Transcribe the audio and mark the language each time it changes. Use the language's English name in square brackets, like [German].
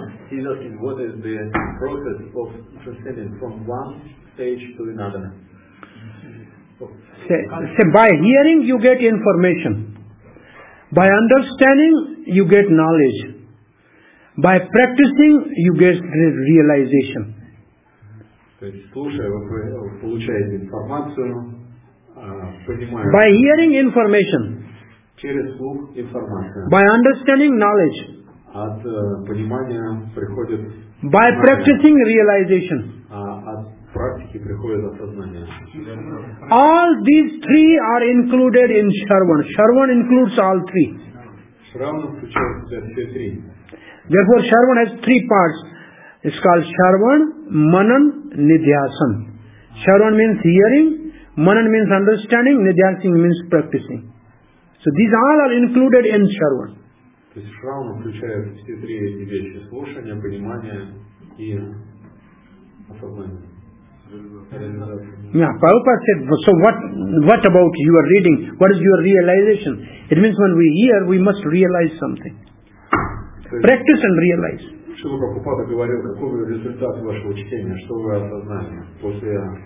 [English] He's asking what is the process of transcending from one stage to another. Say, by hearing you get information. By understanding you get knowledge. By practicing you get realization. [Russian] То есть слушая, вы получаете информацию. [English] By hearing information, [Russian] через слух информация. [English] By understanding knowledge, [Russian] от понимания приходит. [English] By practicing realization, [Russian] от практики приходит осознание. [English] All these three are included in Shravan. Shravan includes all three. [Russian] Shravan включает все три. [English] Therefore, Shravan has three parts. It's called Shravan, Manan, Nidhyasan. Shravan means hearing. Manan means understanding, Nidhyasana means practicing. So these all are included in Shravan. [Russian] То есть Shravan включает все три эти вещи: слушание, понимание и осознание. [English] Yeah, Prabhupada said, so what about your reading? What is your realization? It means when we hear, we must realize something. Practice and realize. [Russian] Шрила Прабхупада говорил, какой результат вашего чтения, что вы осознали после